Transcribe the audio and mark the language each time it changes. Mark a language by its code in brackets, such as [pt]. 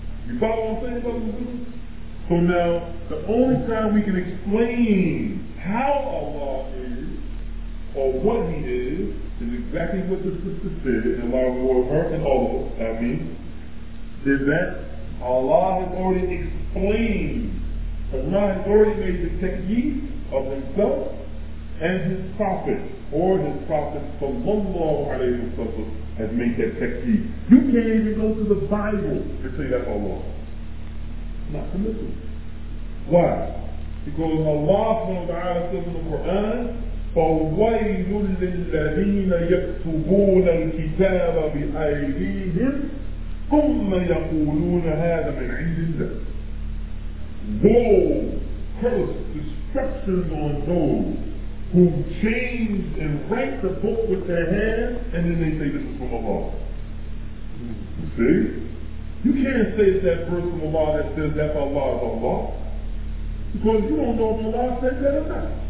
[en] You follow what I'm saying, brothers and sisters? So now, the only time we can explain how Allah is, or what he is exactly what the sister said, and Allah reward her and all of us, I mean, is that Allah has already explained, Allah has already made the taqyid of himself and his prophet, or his prophet, sallallahu alayhi wa sallam, has made that taqyid. You can't even go to the Bible and say that's Allah. Not permissible. Why? Because Allah says in the Quran, [ar] فَوَيْلٌ لِلَّذِينَ يَكْتُبُونَ الْكِتَابَ بِأَيْدِيهِمْ ثُمَّ يَقُولُونَ هَذَا مِنْ عِنْدِ اللَّهِ. [en] Woe, curse, destruction on those who change and write the book with their hands, and then they say this is from Allah. You see? You can't say it's that verse from Allah that says that Allah is Allah, because you don't know if Allah said that or not.